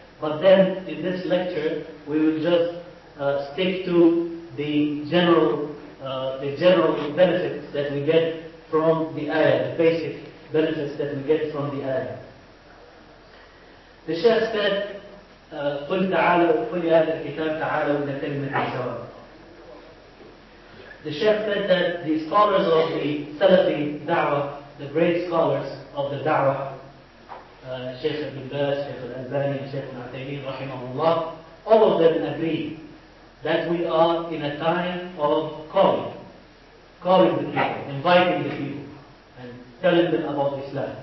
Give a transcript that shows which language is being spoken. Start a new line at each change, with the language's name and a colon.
English: But then, in this lecture, we will just stick to the general benefits that we get from the ayah, the basic benefits that we get from the ayah. The Shaykh said,
Arabic: قُلْ تَعَالَوْا قُلْ يَا أَهْلَ الْكِتَابِ تَعَالَوْا إِلَى كَلِمَةٍ سَوَاءٍ.
English: The Shaykh said that the scholars of the Salafi Da'wah, the great scholars of the Da'wah, Shaykh Ibn Baz, Shaykh Al-Albani, Shaykh Al-Ataymin, rahimahullah, all of them agree that we are in a time of calling the people, inviting the people, and telling them about Islam.